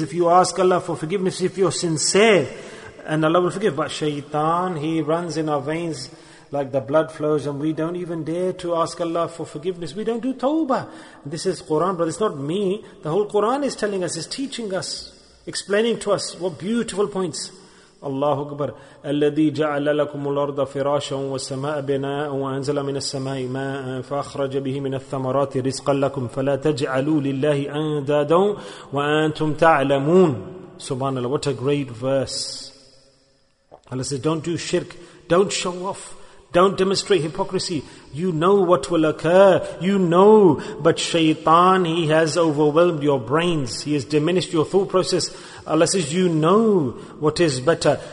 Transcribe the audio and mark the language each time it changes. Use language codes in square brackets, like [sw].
[en] If you ask Allah for forgiveness, if you're sincere, and Allah will forgive. But shaitan, he runs in our veins like the blood flows, and we don't even dare to ask Allah for forgiveness. We don't do tawbah. This is Quran, but it's not me. The whole Quran is telling us, is teaching us, explaining to us what beautiful points. Allahu Akbar. [ar] الذي جعل لكم الأرض فراشا والسماء بناء وأنزل من السماء ماء فأخرج به من الثمرات رزقا لكم فلا تجعلوا لله أندادا وأنتم تعلمون. [en] Subhanallah. What a great verse. Allah says, don't do shirk. Don't show off. Don't demonstrate hypocrisy. You know what will occur. You know. But shaitan, he has overwhelmed your brains. He has diminished your thought process. Allah says, you know what is better.